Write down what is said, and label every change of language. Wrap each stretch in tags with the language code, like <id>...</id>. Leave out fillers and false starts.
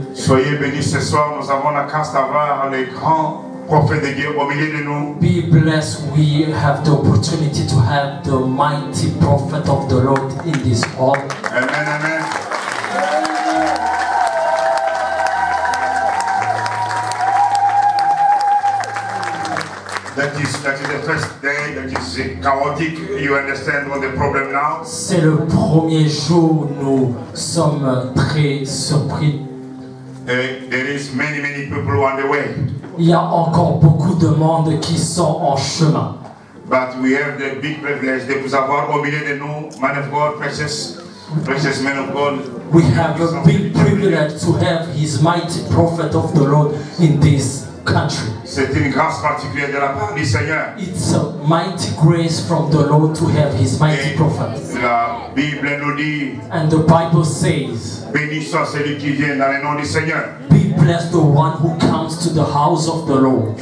<fr>Soyez bénis ce soir, nous avons la chance d'avoir les grands prophètes de Dieu au milieu de nous.</fr> <en>Be blessed, we have the opportunity to have the mighty prophet of the Lord in this hall. Amen, amen. That is the first day that is chaotic. You understand what the problem now?</en> <fr>C'est le premier jour où nous sommes très surpris.</fr> <en>There is many people on the way.</en> <fr>Il y a encore beaucoup de monde qui sont en chemin.</fr> <en>But we have the big privilege</en> <fr>de vous avoir au milieu de nous,</fr> <en>man of God, precious man of God. We have a big privilege to have His mighty prophet of the Lord in this country.</en> <fr>C'est une grâce particulière de la part du Seigneur.</fr> <en>It's a mighty grace from the Lord to have His mighty prophet.</en> <fr>La Bible nous dit,</fr> <en>and the Bible says,</en> <fr>béni soit celui qui vient dans le nom du Seigneur.</fr> <en>Be blessed the one who comes to the house of the Lord.</en>